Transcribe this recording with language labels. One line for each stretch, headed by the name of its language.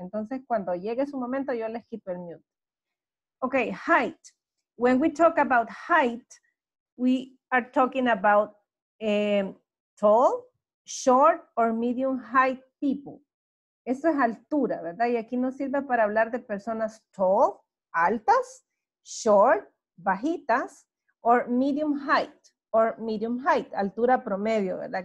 Spanish: Entonces, cuando llegue su momento, yo les quito el mute.
English: Okay, height. When we talk about height, we are talking about tall, short, or medium height people.
Spanish: Eso es altura, ¿verdad? Y aquí nos sirve para hablar de personas tall, altas, short, bajitas,
English: or medium height,
Spanish: altura promedio, ¿verdad?